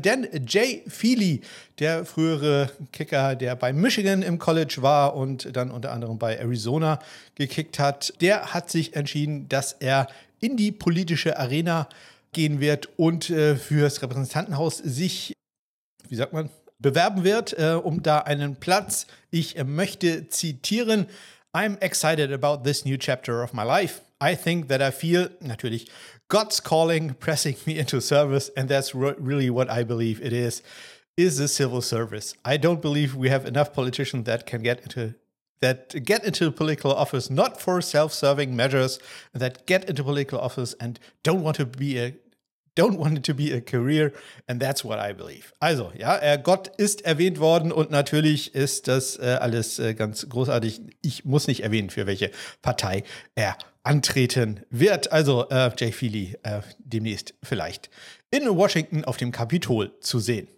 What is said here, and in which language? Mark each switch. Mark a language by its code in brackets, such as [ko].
[de] Denn Jay Feely, der frühere Kicker, der bei Michigan im College war und dann unter anderem bei Arizona gekickt hat, der hat sich entschieden, dass er in die politische Arena gehen wird und fürs Repräsentantenhaus sich, wie sagt man, bewerben wird, um da einen Platz. Ich möchte zitieren: [en] I'm excited about this new chapter of my life. I think that I feel, [de] natürlich, [en] God's calling, pressing me into service, and that's really what I believe it is a civil service. I don't believe we have enough politicians that can get into political office, not for self-serving measures, that get into political office and don't want it to be a career, and that's what I believe. [de] Also, ja, Gott ist erwähnt worden und natürlich ist das alles ganz großartig. Ich muss nicht erwähnen, für welche Partei er antreten wird. Also, Jay Feely demnächst vielleicht in Washington auf dem Kapitol zu sehen.